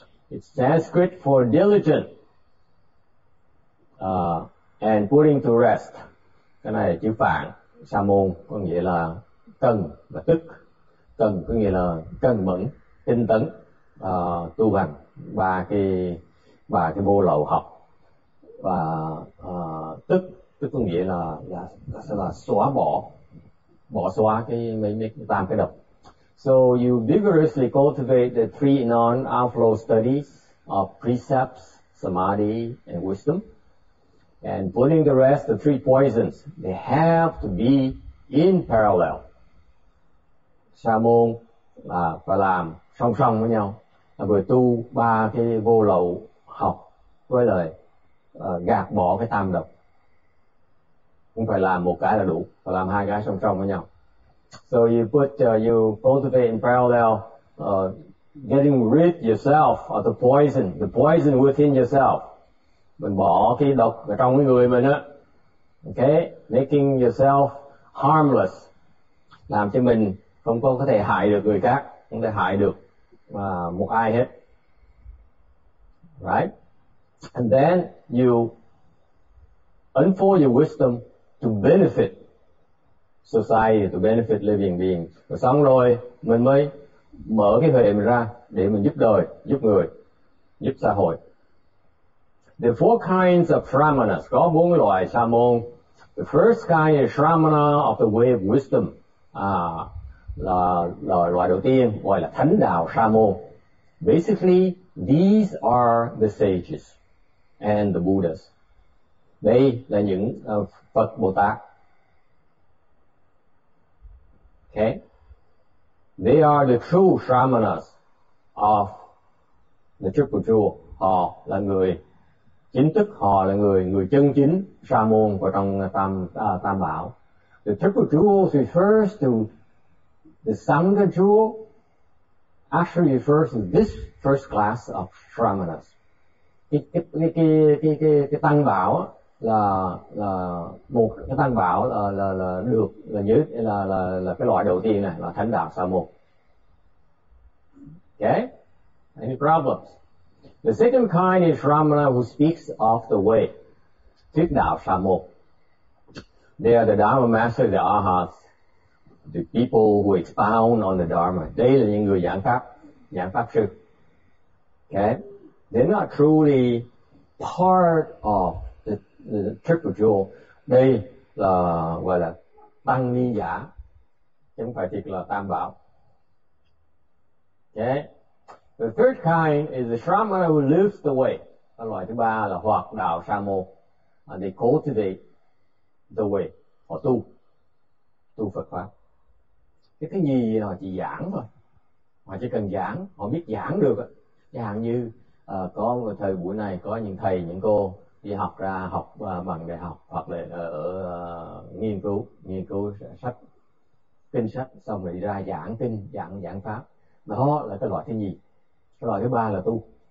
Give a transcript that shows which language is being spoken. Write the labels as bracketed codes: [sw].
[en] It's Sanskrit for diligent and putting to rest. [vi] Cái này là chữ Phạn, sa môn có nghĩa là cần và tức. Cần có nghĩa là cần mẫn, tinh tấn, tu hành và cái vô lậu học. Và tức có nghĩa là xóa bỏ xóa cái tam cái độc. [en] So you vigorously cultivate the three non-outflow studies of precepts, samadhi, and wisdom. And putting the rest, the three poisons, they have to be in parallel. [vi] Sa môn là phải làm song song với nhau, là vừa tu ba cái vô lậu học với lời gạt bỏ cái tam độc. Không phải làm một cái là đủ, phải làm hai cái song song với nhau. [en] So you put, you cultivate in parallel, getting rid yourself of the poison within yourself. [vi] Mình bỏ cái độc ở trong cái người mình á. [en] Okay, making yourself harmless. [vi] Làm cho mình không có thể hại được người khác, không thể hại được một ai hết. [en] Right? And then you unfold your wisdom to benefit society, to benefit living beings. [vi] Xong rồi, mình mới mở cái huệ mình ra để mình giúp đời, giúp người, giúp xã hội. [en] The four kinds of Shramanas, [vi] có bốn loại sa môn. [en] The first kind is Shramana of the way of wisdom. [vi] Là loại đầu tiên, gọi là thánh đạo sa môn. [en] Basically, these are the sages and the Buddhas. [vi] Đây là những Phật Bồ Tát. [en] Okay, they are the true Shramanas of the Triple Jewel. [vi] Họ là người chính thức, họ là người chân chính Sa môn của trong Tam Bảo. [en] The Triple Jewel refers to the Sangha Jewel. Actually, refers to this first class of Shramanas. [vi] Cái Tăng Bảo là một cái tăng bảo là được là nhớ là cái loại đầu tiên này là thánh đạo sa môn. [en] Okay, any problems? The second kind is Shramana who speaks of the way, thuyết đạo sa môn. They are the Dharma master, the Arhats, the people who expound on the Dharma. [vi] Đây là những người giảng pháp sư. [en] Okay, they're not truly part of the Triple Jewel. [vi] Đây là gọi là tăng ni giả, chẳng phải thiệt là tam bảo. [en] Okay. The third kind is the Shramana who lives the way. [vi] Cái loại thứ ba là hoặc đạo sa môn. [en] And they cultivate the way. [vi] Họ tu Phật pháp. Cái gì họ chỉ giảng thôi. Họ chỉ cần giảng, họ biết giảng được. Chẳng hạn như có thời buổi này có những thầy, những cô đi học ra học bằng đại học hoặc là nghiên cứu sách kinh sách xong rồi đi ra giảng kinh giảng pháp, đó là cái loại thứ nhì, cái loại thứ ba là tu.